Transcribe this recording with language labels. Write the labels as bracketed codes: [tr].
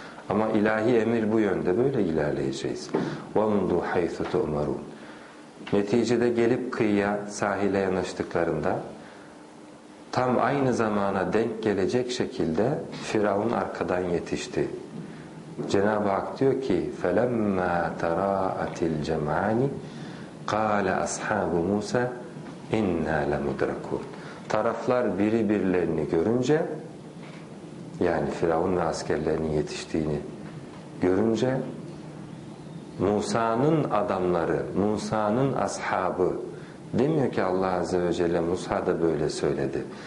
[tr] Ama ilahi emir bu yönde, böyle ilerleyeceğiz. [ar] وَمُنْدُوا حَيْثُ تُؤْمَرُونَ. [tr] Neticede gelip kıyıya, sahile yanaştıklarında tam aynı zamana denk gelecek şekilde Firavun arkadan yetişti. Cenab-ı Hak diyor ki, [ar] فَلَمَّا تَرَاءَتِ الْجَمْعَانِ قَالَ أَصْحَابُ مُوسَى اِنَّا لَمُدْرَكُونَ. [tr] Taraflar birbirlerini görünce, yani Firavun ve askerlerinin yetiştiğini görünce, Musa'nın adamları, Musa'nın ashabı, Demiyor ki Allah Azze ve Celle Musa da böyle söyledi.